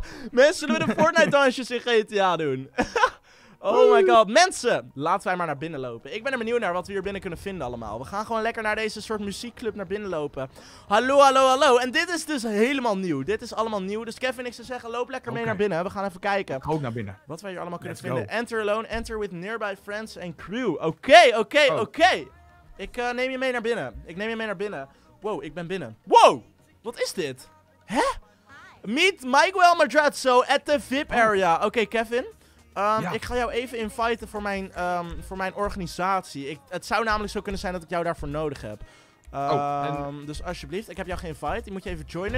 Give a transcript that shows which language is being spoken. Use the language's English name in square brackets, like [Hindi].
[Dutch] Mensen doen de Fortnite dansjes in GTA doen. [English] Oh my god, [Dutch] mensen! Laten wij maar naar binnen lopen. Ik ben er benieuwd naar wat we hier binnen kunnen vinden allemaal. We gaan gewoon lekker naar deze soort muziekclub naar binnen lopen. Hallo, hallo, hallo. En dit is dus helemaal nieuw. Dit is allemaal nieuw. Dus Kevin, ik zou zeggen, loop lekker mee naar binnen. We gaan even kijken. Ik ga ook naar binnen. Wat wij hier allemaal kunnen vinden. [English] Enter alone, enter with nearby friends and crew. [Dutch] Oké. Ik neem je mee naar binnen. Wow, ik ben binnen. Wow! Wat is dit? Hè? [English] Meet Miguel Madrazo at the VIP area. [Dutch] Oké, Kevin. Ik ga jou even inviten voor mijn organisatie. Het zou namelijk zo kunnen zijn dat ik jou daarvoor nodig heb. Dus alsjeblieft, ik heb jou geïnviteerd. Die moet je even joinen.